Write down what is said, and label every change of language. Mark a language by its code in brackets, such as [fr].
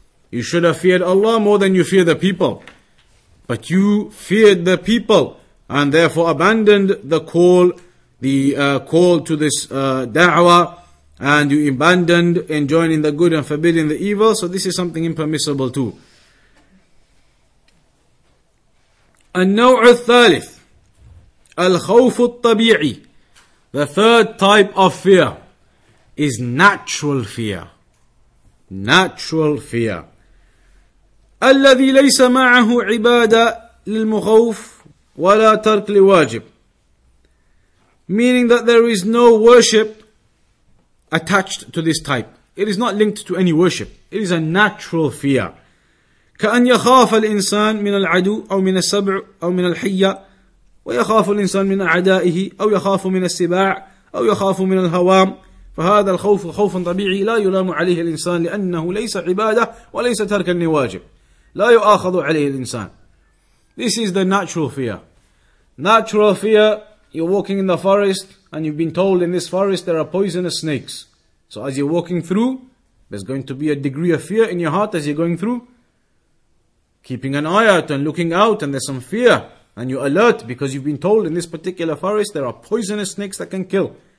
[en] You should have feared Allah more than you fear the people. But you feared the people and therefore abandoned the call to this da'wah, and you abandoned enjoining the good and forbidding the evil. So this is something impermissible too. [ar] النوع الثالث الخوف الطبيعي. [en] The third type of fear is natural fear. Natural fear. [ar] الذي ليس معه عبادة للمخوف ولا ترك لواجب. [en] Meaning that there is no worship attached to this type. It is not linked to any worship. It is a natural fear. [ar] كأن يخاف الإنسان من العدو أو من السبع أو من الحية ويخاف الإنسان من أعدائه أو يخاف من السباع أو يخاف من الهوام. فهذا الخوف خوف طبيعي لا يلام عليه الإنسان لأنه ليس عبادة وليس ترك لواجب. لا يؤاخذ عليه الإنسان. [en] This is the natural fear. Natural fear, you're walking in the forest and you've been told in this forest there are poisonous snakes. So as you're walking through, there's going to be a degree of fear in your heart as you're going through. Keeping an eye out and looking out, and there's some fear and you're alert because you've been told in this particular forest there are poisonous snakes that can kill.